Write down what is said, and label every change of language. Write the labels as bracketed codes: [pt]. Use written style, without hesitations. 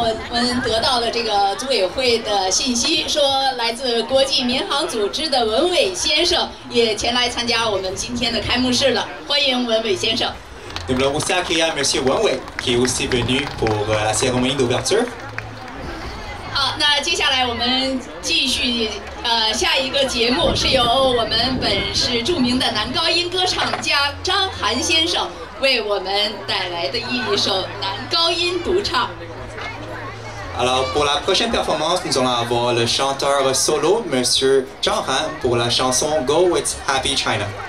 [zh] 们得到了这个组委会的信息，说来自国际民航组织的文伟先生也前来参加我们今天的开幕式了，欢迎文伟先生。 [fr] Nous voulons aussi accueillir Monsieur Wenwei, qui est aussi venu pour la cérémonie d'ouverture. [zh] 好，那接下来我们继续下一个节目是由我们本市著名的男高音歌唱家张涵先生为我们带来的一首男高音独唱。 [fr] Alors pour la prochaine performance, nous allons avoir le chanteur solo Monsieur Zhang Han pour la chanson Go With Happy China.